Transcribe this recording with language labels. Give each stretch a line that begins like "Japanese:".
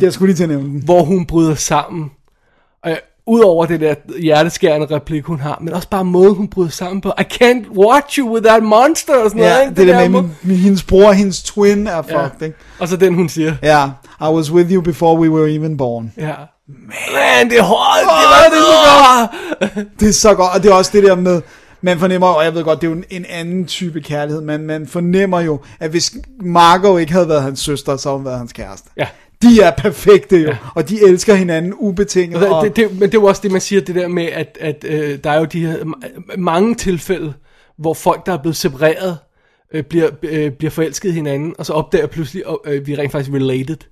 Danish: det er sgu lige til at nævne, hvor hun bryder sammen, udover det der hjerteskærende replik, hun har, men også bare måden, hun bryder sammen på.
English: I can't watch you with that monster,
Danish: og sådan ja, noget. Ja, det der med, hendes bror og hendes twin er fucked, ikke? Og så den, hun siger. Ja, yeah.
English: I was with you before we were even born.
Danish: Ja. Man, det er hårdt. Det er så godt. Det er så godt, og det er også det der med, man fornemmer, og jeg ved godt, det er jo en anden type kærlighed, men man fornemmer jo, at hvis Margot ikke havde været hans søster, så havde hun været hans kæreste. Ja. De er perfekte jo, og de elsker hinanden ubetinget. Og men det er også det, man siger, det der med, at der er jo de her mange tilfælde, hvor folk, der er blevet separeret, bliver forelsket hinanden, og så opdager pludselig, at vi er rent faktisk related.